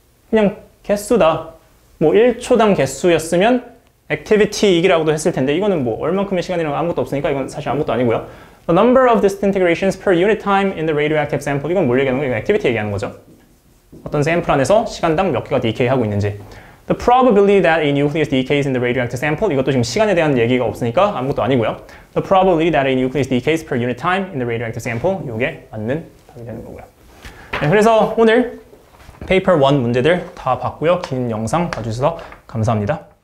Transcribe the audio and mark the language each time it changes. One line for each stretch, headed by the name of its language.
Korean: 그냥 개수다. 뭐 1초당 개수였으면 액티비티 이기라고도 했을 텐데 이거는 뭐 얼만큼의 시간이랑 아무것도 없으니까 이건 사실 아무것도 아니고요.
English: The number of disintegrations per unit time in the radioactive sample.
Korean: 이건 뭘 얘기하는 거예요? 이건 액티비티 얘기하는 거죠. 어떤 샘플 안에서 시간당 몇 개가 DEK 하고 있는지.
English: The probability that a nucleus decays in the radioactive sample.
Korean: 이것도 지금 시간에 대한 얘기가 없으니까 아무것도 아니고요.
English: The probability that a nucleus decays per unit time in the radioactive sample.
Korean: 이게 맞는 답이 되는 거고요. 네, 그래서 오늘 paper 1 문제들 다 봤고요. 긴 영상 봐주셔서 감사합니다.